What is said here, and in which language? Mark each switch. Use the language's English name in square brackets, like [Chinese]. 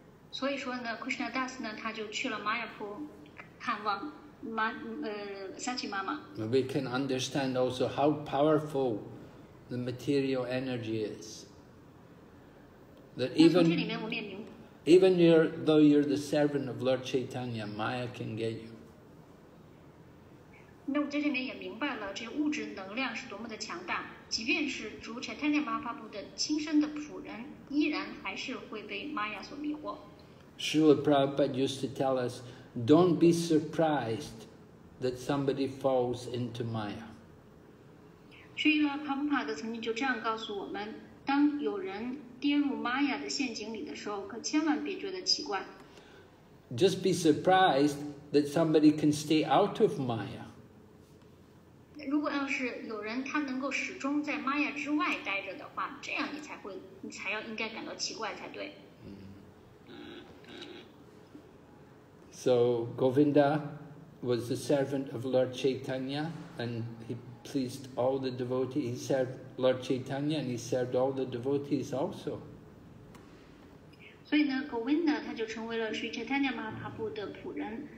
[Chinese] 所以说呢 ，Krishna Das 呢，他就去了 Mayapur 看望Sachi 妈妈。 [English] We can understand also how powerful the material energy is. That even though you're the servant of Lord Chaitanya, Maya can get you. [Chinese] 那我在这里面也明白了，这物质能量是多么的强大。即便是主 Chaitanya Mahaprabhu 的亲身的仆人，依然还是会被 Maya 所迷惑。 [English] Srila Prabhupada used to tell us, "Don't be surprised that somebody falls into Maya." [Chinese] Srila Prabhupada 曾经就这样告诉我们：当有人跌入 Maya 的陷阱里的时候，可千万别觉得奇怪。 [English] Just be surprised that somebody can stay out of Maya. [Chinese] 如果要是有人他能够始终在 Maya 之外待着的话，这样你才要应该感到奇怪才对。 [English] So Govinda was the servant of Lord Chaitanya, and he pleased all the devotees. He served Lord Chaitanya, and he served all the devotees also. [Chinese] 所以呢 ，Govinda 他就成为了 Sri Chaitanya Mahaprabhu 的仆人。